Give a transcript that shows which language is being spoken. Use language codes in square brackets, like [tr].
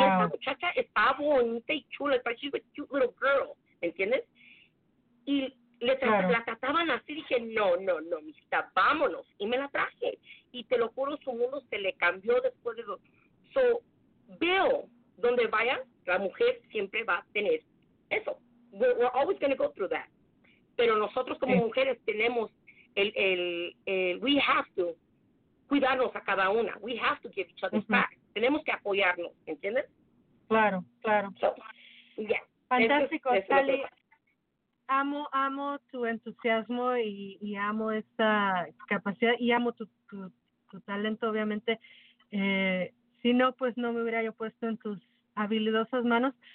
[es] Y esa muchacha está bonita y chula, está chica, [en] cute little girl, [es] ¿me entiendes? Y le la trataban así, dije, no, mi hijita, vámonos, y me la traje. Y te lo juro, su mundo se le cambió después de dos. So, veo, donde vaya, la mujer siempre va a tener eso. [en] We're always going to go through that. [es] Pero nosotros como sí. mujeres tenemos el [en] we have to, [es] cuidarnos a cada una. [en] We have to give each other uh-huh. back. [es] Tenemos que apoyarnos, ¿entiendes? Claro. [en] So, yeah. [es] Fantástico, Tali. Amo tu entusiasmo y amo esa capacidad y amo tu talento, obviamente. Si no, pues no me hubiera yo puesto en tus habilidosas manos.